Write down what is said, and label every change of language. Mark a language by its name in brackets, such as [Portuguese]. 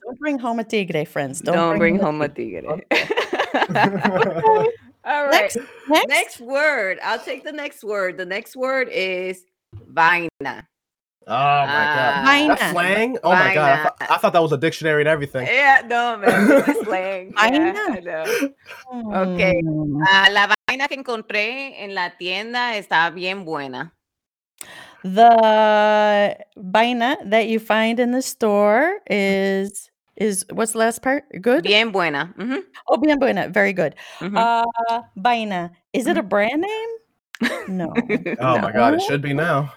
[English] Don't bring home a tigre, friends. Don't bring home a tigre. Okay. All right. Next word. I'll take the next word. The next word is vaina. Oh my god. Vaina. Slang? Oh my god. I thought that was a dictionary and everything. Yeah, no, man. Slang. Vaina. Yeah, I know. Okay. [Spanish] La vaina que encontré en la tienda está bien buena. [English] The vaina that you find in the store is what's the last part? Good? [Spanish] Bien buena. Mm-hmm. [English] Oh, [Spanish] bien buena. [English] Very good. Mm-hmm. Vaina. Is it a brand name? No. Oh, my God. It should be now.